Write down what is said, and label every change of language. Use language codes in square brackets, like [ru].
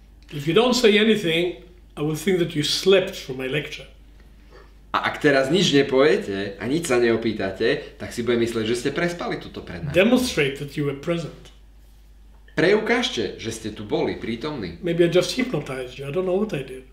[en] If you don't say anything, I will think that you slept from my lecture. [sk] A ak teraz nič nepoviete a nič sa neopýtate, tak si budem myslieť, že ste prespali túto prednášku. [en] Demonstrate that you were present. [sk] Preukážte, že ste tu boli prítomní. [en] Maybe I just hypnotized you. I don't know what I did.